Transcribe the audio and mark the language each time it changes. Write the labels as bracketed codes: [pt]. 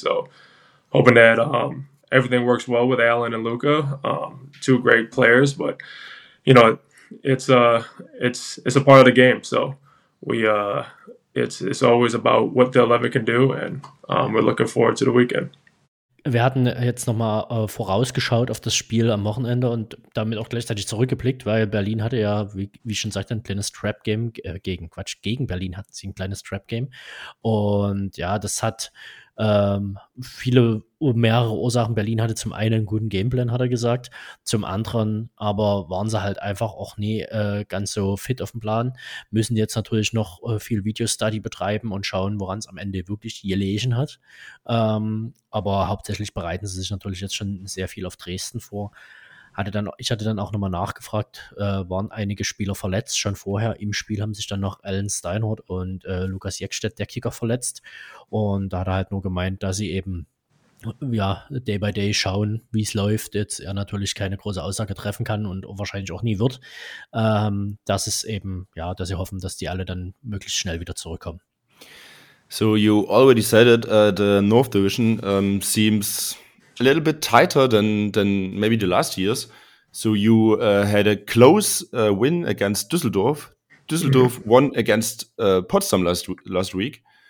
[en] So hoping that everything works well with Alan and Luca, two great players. But, you know, it's a part of the game. So it's always about what the 11 can do, and we're looking forward to the weekend. [de] Wir hatten jetzt nochmal vorausgeschaut auf das Spiel am Wochenende und damit auch gleichzeitig zurückgeblickt, weil Berlin hatte ja, wie schon sagte, ein kleines Trap-Game gegen Berlin hatten sie ein kleines Trap-Game. Und ja, das hat mehrere Ursachen. Berlin hatte zum einen einen guten Gameplan, hat er gesagt, zum anderen aber waren sie halt einfach auch nie ganz so fit auf dem Plan, müssen jetzt natürlich noch viel Video-Study betreiben und schauen, woran es am Ende wirklich gelegen hat, aber hauptsächlich bereiten sie sich natürlich jetzt schon sehr viel auf Dresden vor. Ich hatte dann auch nochmal nachgefragt, waren einige Spieler verletzt. Schon vorher im Spiel haben sich dann noch Alan Steinhardt und Lukas Jekstedt, der Kicker, verletzt. Und da hat er halt nur gemeint, dass sie eben ja [en] day by day [de] schauen, wie es läuft. Jetzt er natürlich keine große Aussage treffen kann und wahrscheinlich auch nie wird. Dass es eben, ja, dass sie hoffen, dass die alle dann möglichst schnell wieder zurückkommen. [en] So, you already said it, the North Division seems a little bit tighter than maybe the last years. So you had a close win against Düsseldorf. Düsseldorf won against Potsdam last week.